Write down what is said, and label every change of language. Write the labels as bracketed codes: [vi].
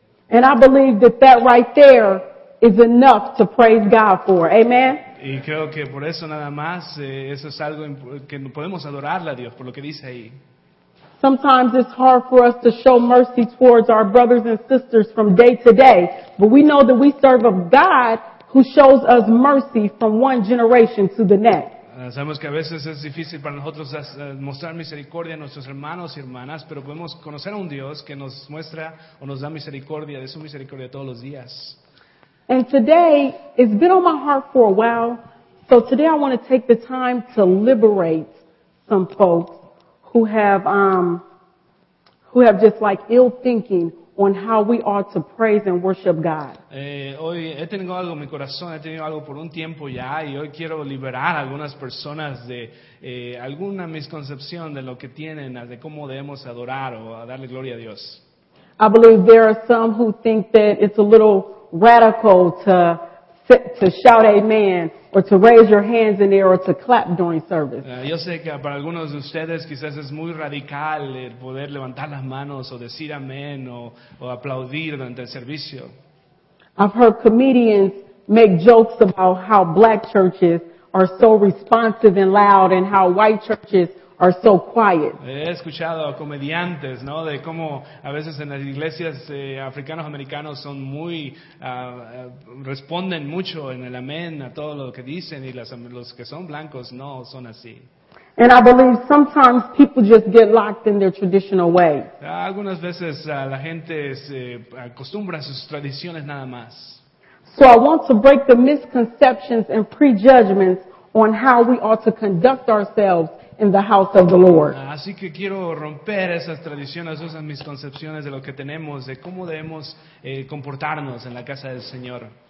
[en] And I believe that that right there is enough to praise God for. Amen. [es] Y creo que por eso nada más eso es algo que podemos adorarle a Dios por lo que dice ahí. [en] Sometimes it's hard for us to show mercy towards our brothers and sisters from day to day, but we know that we serve a God who shows us mercy from one generation to the next. [es] Sabemos que a veces es difícil para nosotros mostrar misericordia a nuestros hermanos y hermanas, pero podemos conocer a un Dios que nos muestra o nos da misericordia, de su misericordia todos los días. [en] And today, it's been on my heart for a while, so today I want to take the time to liberate some folks who have just like ill thinking on how we ought to praise and worship God. [es] Hoy he tenido algo en mi corazón, he tenido algo por un tiempo ya, y hoy quiero liberar a algunas personas de alguna misconcepción de lo que tienen, de cómo debemos adorar o darle gloria a Dios. [en] I believe there are some who think that it's a little radical to shout amen or to raise your hands in there or to clap during service. [es] Yo sé que para algunos de ustedes quizás es muy radical el poder levantar las manos o decir amén o aplaudir durante el servicio. [en] I've heard comedians make jokes about how black churches are so responsive and loud and how white churches are so quiet. [es] He escuchado a comediantes, ¿no? De cómo a veces en las iglesias africanos-americanos son muy, responden mucho en el amén a todo lo que dicen y los que son blancos no son así. [en] And I believe sometimes people just get locked in their traditional way. [es] Algunas veces la gente se acostumbra a sus tradiciones nada más. [en] So I want to break the misconceptions and prejudgments on how we ought to conduct ourselves in the house of the Lord. [es] Así que quiero romper esas tradiciones, esas misconcepciones de lo que tenemos, de cómo debemos comportarnos en la casa del Señor.